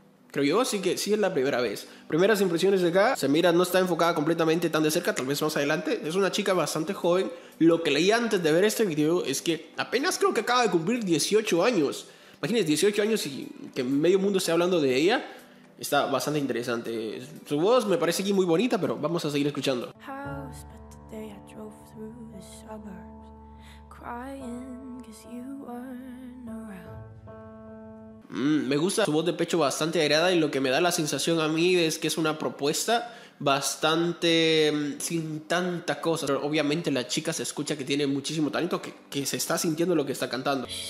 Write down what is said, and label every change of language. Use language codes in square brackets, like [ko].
[es] Creo yo, así que sí es la primera vez. Primeras impresiones de acá. Se mira, no está enfocada completamente tan de cerca. Tal vez más adelante. Es una chica bastante joven. Lo que leí antes de ver este video es que apenas creo que acaba de cumplir 18 años. Imagínense, 18 años y que medio mundo esté hablando de ella. Está bastante interesante. Su voz me parece aquí muy bonita, pero vamos a seguir escuchando. [en] House, but today I drove through the suburbs, crying 'cause you weren't around. [es] Me gusta su voz de pecho bastante agregada y lo que me da la sensación a mí es que es una propuesta bastante sin tanta cosa. Pero obviamente la chica se escucha que tiene muchísimo talento, que se está sintiendo lo que está cantando.